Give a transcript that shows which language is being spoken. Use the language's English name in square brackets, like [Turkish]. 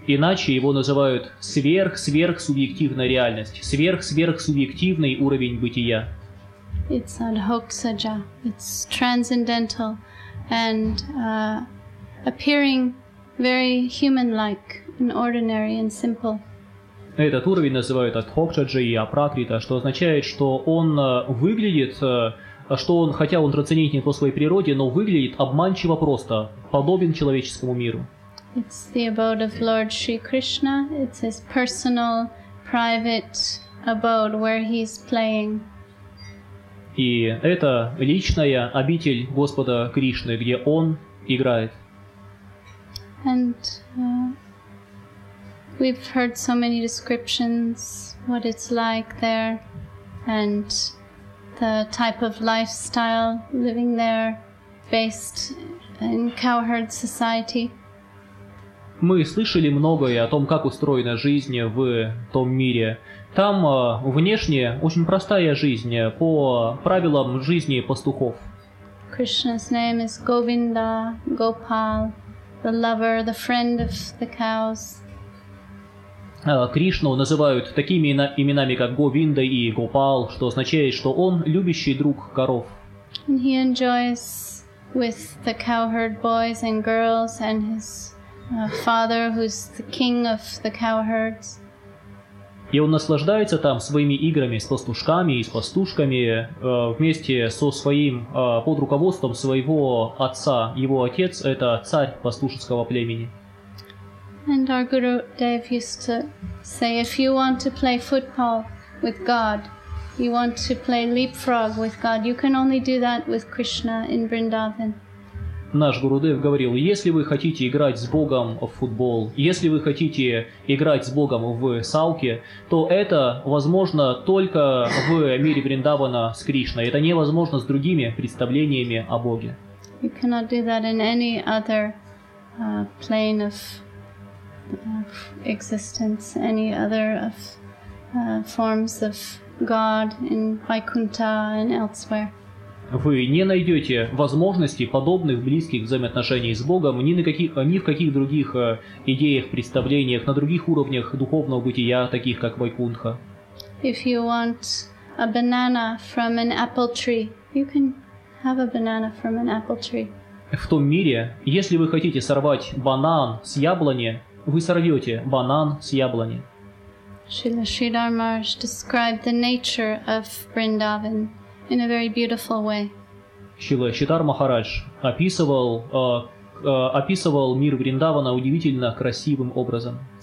[Russian] Иначе его называют сверхсверхсубъективная реальность, сверхсверхсубъективный уровень бытия. [English] It's adhoksaja. It's transcendental and appearing very human-like and ordinary and simple. [Russian] Этот уровень называют Адхокшаджа и Апракрита, что означает, что он выглядит, что он, хотя он трансцендентен по своей природе, но выглядит обманчиво просто, подобен человеческому миру. [English] It's the abode of Lord Shri Krishna. It's his personal, private abode, where he's playing. [Russian] И это личная обитель Господа Кришны, где он играет. [English] And we've heard so many descriptions what it's like there and the type of lifestyle living there based in cowherd society. [Russian] Мы слышали многое о том, как устроена жизнь в том мире. Там внешне очень простая жизнь по правилам жизни пастухов. [English] Krishna's name is Govinda, Gopal, the lover, the friend of the cows. [Russian] Кришну называют такими именами, как Говинда и Гопал, что означает, что он любящий друг коров. [English] And he enjoys with the cowherd boys and girls and his father, who's the king of the cowherds. [Russian] И он наслаждается там своими играми с пастушками и с пастушками вместе со своим под руководством своего отца. Его отец — это царь пастушеского племени. [English] And our Guru Dev used to say, if you want to play football with God, you want to play leapfrog with God, you can only do that with Krishna in Vrindavan. [Russian] Наш Гуру Дев говорил, если вы хотите играть с Богом в футбол, если вы хотите играть с Богом в салки, то это возможно только в мире Вриндавана с Кришной. Это невозможно с другими представлениями о Боге. [English] You cannot do that in any other plane of existence, any other of forms of God in Vaikuntha and elsewhere. [Russian] Вы не найдете возможности подобных близких взаимоотношений с Богом ни в каких других идеях, представлениях, на других уровнях духовного бытия, таких как Вайкунтха. [English] If you want a banana from an apple tree, you can have a banana from an apple tree. [Russian] В том мире, если вы хотите сорвать банан с яблони, вы сорвете банан с яблони. [English] Шрила Шридхар Махарадж described the nature of Vrindavan in a very beautiful way. [Russian] Шрила Шридхар Махарадж описывал мир Вриндавана удивительно красивым образом.